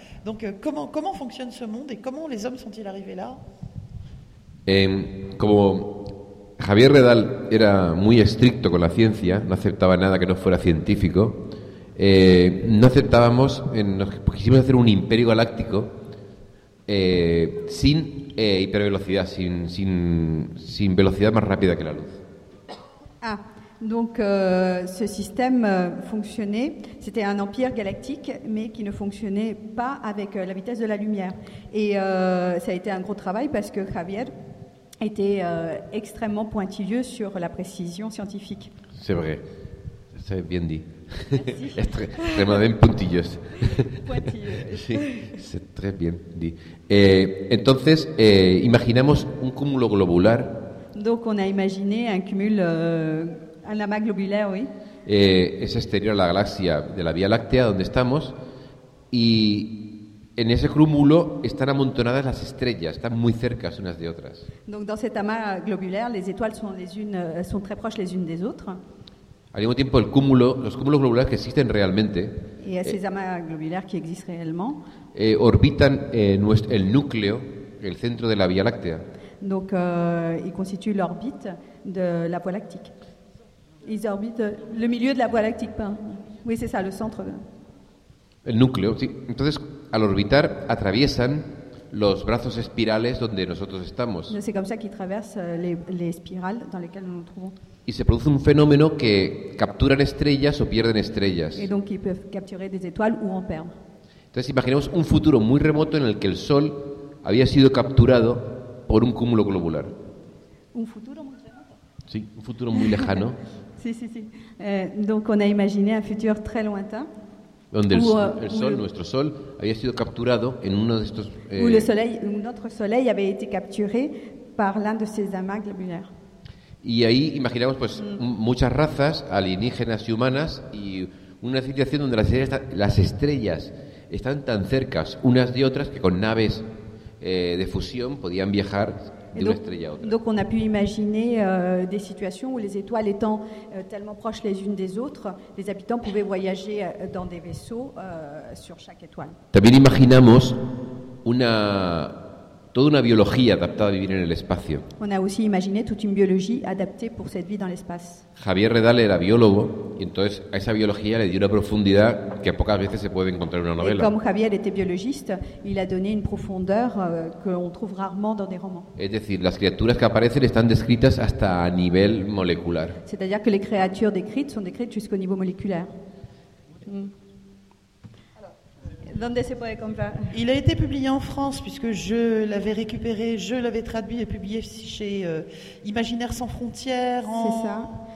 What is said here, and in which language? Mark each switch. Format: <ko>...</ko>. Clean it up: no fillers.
<fr>Donc comment fonctionne ce monde et comment les hommes sont-ils arrivés là?</fr> <es>Comme Javier Redal era muy estricto con la ciencia, no aceptaba nada que no fuera científico. Quisimos hacer un imperio galáctico sin hipervelocidad, sin velocidad más rápida que la luz.</es> <fr>Ah, donc ce système fonctionnait, c'était un empire galactique, mais qui ne fonctionnait pas avec la vitesse de la lumière. Et ça a été un gros travail parce que Javier était extrêmement pointilleux sur la précision scientifique. C'est vrai, c'est bien dit. C'est extrêmement pointilleux. Pointilleux.</fr> <es>Sí,</es> <fr>c'est très bien dit.</fr> <es>Entonces, imaginamos un cúmulo globular.</es> <fr>Donc, on a imaginé un cumul, un amas globulaire, oui.</fr> <es>Es exterior a la galaxia de la Vía Láctea, donde estamos, y en ese cúmulo están amontonadas las estrellas, están muy cerca unas de otras.</es> <fr>Donc dans cet amas globulaire, les étoiles sont très proches les unes des autres.</fr> <es>Al mismo tiempo, los cúmulos globulares que existen realmente. Y esos</es> <fr>amas globulaires qui existent réellement.</fr> <es>Orbitan el núcleo, el centro de la Vía Láctea.</es> <fr>Donc ils constituent l'orbite de la Voie Lactique. Ils orbitent le milieu de la Voie Lactique, pas. Oui, c'est ça, le centre.</fr> <es>El núcleo, sí. Entonces, al orbitar, atraviesan los brazos espirales donde nosotros estamos.</es> <fr>C'est comme ça qu'ils traversent les spirales dans lesquelles nous nous trouvons.</fr> <es>Y se produce un fenómeno que capturan estrellas o pierden estrellas.</es> <fr>Et donc, ils peuvent capturer des étoiles ou en perdre.</fr> <es>Entonces, imaginemos un futuro muy remoto en el que el Sol había sido capturado por un cúmulo globular. Un futuro muy remoto. Sí, un futuro muy lejano. Sí, sí, sí.</es> <fr>Donc, on a imaginé un futur très lointain.</fr> <es>Donde el sol, nuestro sol, había sido capturado en uno de estos.</es> <fr>Où le soleil, notre soleil avait été capturé par l'un de ces amas globulaires.</fr> <es>Y ahí imaginamos pues muchas razas alienígenas y humanas y una situación donde las estrellas están tan cerca unas de otras que con naves de fusión podían viajar.</es> <fr>Donc on a pu imaginer des situations où les étoiles étant tellement proches les unes des autres, les habitants pouvaient voyager dans des vaisseaux sur chaque étoile.</fr> <es>También imaginamos toda una biología adaptada a vivir en el espacio.</es> <fr>On a aussi imaginé toute une biologie adaptée pour cette vie dans l'espace.</fr> <es>Javier Redal era biólogo, y entonces a esa biología le dio una profundidad que pocas veces se puede encontrar en una novela.</es> <fr>Et comme Javier était biologiste, il a donné une profondeur qu'on trouve rarement dans des romans.</fr> <es>Es decir, las criaturas que aparecen están descritas hasta a nivel molecular.</es> <fr>C'est-à-dire que les créatures décrites sont décrites jusqu'au niveau moléculaire.</fr> <es>Donde se puede comprar.</es> <fr>Il a été publié en France puisque je l'avais récupéré, je l'avais traduit et publié chez Imaginaire sans frontières. C'est ça.</fr>